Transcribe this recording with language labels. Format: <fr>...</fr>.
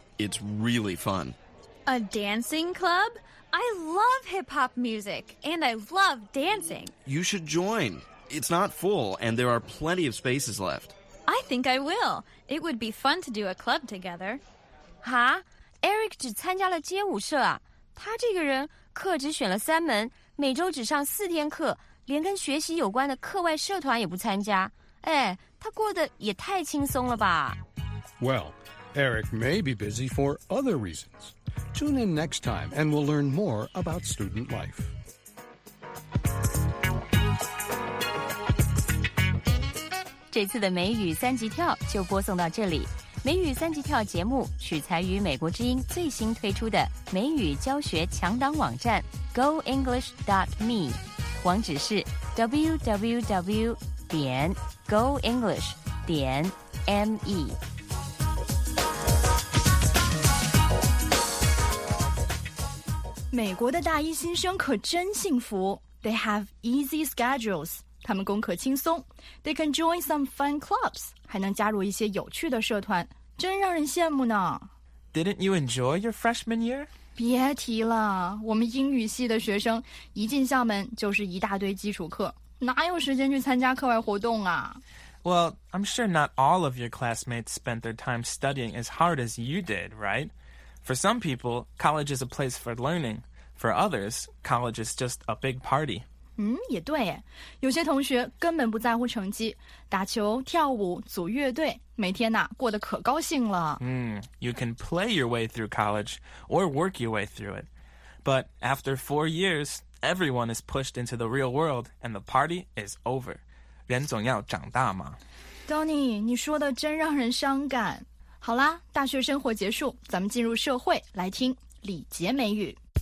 <en>It's really fun. A dancing club? I love hip-hop music, and I love dancing. You should join. It's not full, and there are plenty of spaces left. I think I will. It would be fun to do a club together.</en> <zh>哈?Eric 只参加了街舞社啊。他这个人课只选了三门，每周只上四天课，连跟学习有关的课外社团也不参加。哎，他过得也太轻松了吧。</zh> <en>Well, Eric may be busy for other reasons. Tune in next time and we'll learn more about student life.</en> <zh>This 次的美语三级跳就播送到这里。美语三级跳节目取材于美国之音最新推出的美语教学强档网站 goenglish.me， 网址是 www.goenglish.me。美国的大一新生可真幸福。</zh> <en>They have easy schedules.</en> <zh>他们功课轻松。</zh> <en>They can join some fun clubs.</en> <zh>还能加入一些有趣的社团。真让人羡慕呢。</zh> <en>Didn't you enjoy your freshman year?</en> <zh>别提了。我们英语系的学生一进校门就是一大堆基础课。哪有时间去参加课外活动啊。</zh> <en>Well, I'm sure not all of your classmates spent their time studying as hard as you did, right? For some people, college is a place for learning. For others, college is just a big party.</en> <zh>也对耶。有些同学根本不在乎成绩，打球、跳舞、组乐队，每天啊，过得可高兴了。</zh> <en>You can play your way through college or work your way through it. But after 4 years, everyone is pushed into the real world and the party is over.</en> <zh>人总要长大嘛。 Donny, 你说的真让人伤感。好啦，大学生活结束，咱们进入社会，来听李杰美语。</zh>